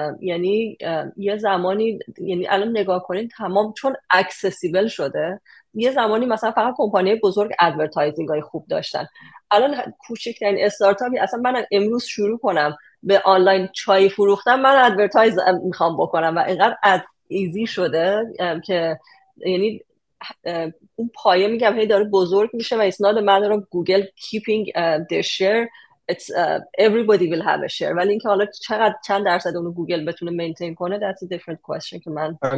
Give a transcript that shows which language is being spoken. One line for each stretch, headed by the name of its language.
Persian: یعنی یه زمانی، یعنی الان نگاه کنین تمام، چون اکسسیبل شده، یه زمانی مثلا فقط کمپانی بزرگ ادورتایزینگ های خوب داشتن، الان کوچکترین استارتاپی، اصلا من امروز شروع کنم به آنلاین چای فروختن، من ادورتایز میخوام بکنم، و اینقدر ادز ایزی شده که یعنی اون پایه میگم هی داره بزرگ میشه و it's not a matter of Google keeping their share.
English: It's everybody will have a share.
Persian: ولی اینکه حالا چقدر چند درصد اونو گوگل بتونه مینتین کنه، that's a different question که من.